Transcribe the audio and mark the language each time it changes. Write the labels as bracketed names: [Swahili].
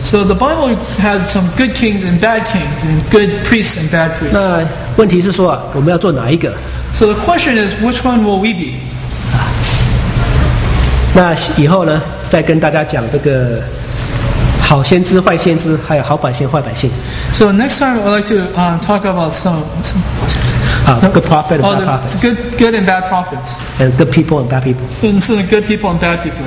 [English] So the Bible has some good kings and bad kings, and good priests and bad priests. [Chinese] 那问题是说啊，我们要做哪一个 [English] ？So the question is, which one will we be? [Chinese] 那以后呢，再跟大家讲这个好先知、坏先知，还有好百姓、坏百姓。 [English] So next time, I'd like to talk about some. Good prophet and bad prophets. Good and bad prophets. And good people and bad people. And some good people and bad people.